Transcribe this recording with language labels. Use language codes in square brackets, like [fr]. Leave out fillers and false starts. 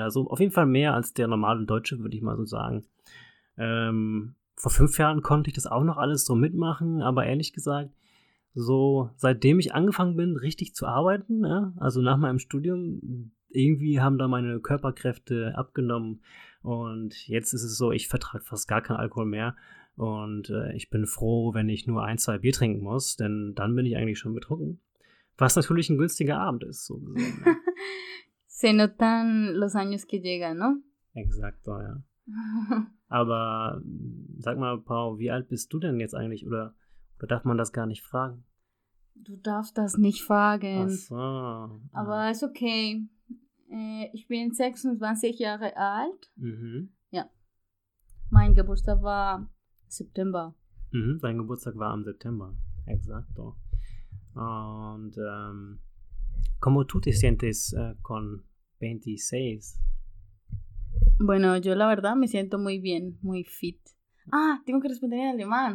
[de] Also auf jeden Fall mehr als der normale Deutsche, würde ich mal so sagen. Vor 5 Jahren konnte ich das auch noch alles so mitmachen, aber ehrlich gesagt, so seitdem ich angefangen bin, richtig zu arbeiten, ja, also nach meinem Studium, irgendwie haben da meine Körperkräfte abgenommen und jetzt ist es so, ich vertrage fast gar keinen Alkohol mehr und ich bin froh, wenn ich nur 1-2 Bier trinken muss, denn dann bin ich eigentlich schon betrunken, was natürlich ein günstiger Abend ist. So gesehen, ja. [es] Se notan los años que llegan, ¿no? Exacto, ja. [de] Aber sag mal, Pau, wie alt bist du denn jetzt eigentlich oder... Da darf man das gar nicht fragen. Du darfst das nicht fragen. Ach so. Aber ist okay. Ich bin 26 Jahre alt. Mhm. Ja. Mein Geburtstag war September. Mhm, dein Geburtstag war im September. [es] Exacto. Und ¿cómo tú te sientes con 26? Bueno, yo la verdad me siento muy bien, muy fit. Ah, tengo que responder en alemán.